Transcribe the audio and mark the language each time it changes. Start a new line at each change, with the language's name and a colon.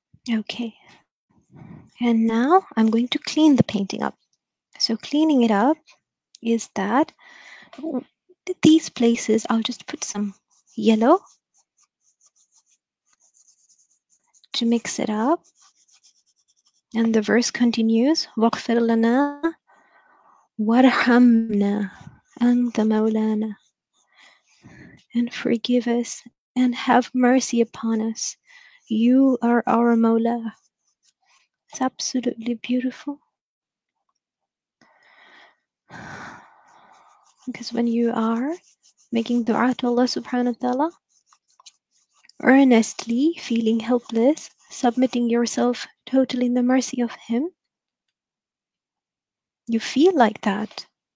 English: Okay, and now I'm going to clean the painting up. So cleaning it up is that these places, I'll just put some yellow to mix it up. And the verse continues,
Arabic: وَغْفِرْ لَنَا وَرْحَمْنَا أَنْتَ مَوْلَانَا.
English: And forgive us and have mercy upon us. You are our Mawla. It's absolutely beautiful. Because when you are making dua to Allah subhanahu wa ta'ala, earnestly feeling helpless, submitting yourself totally in the mercy of Him, you feel like that.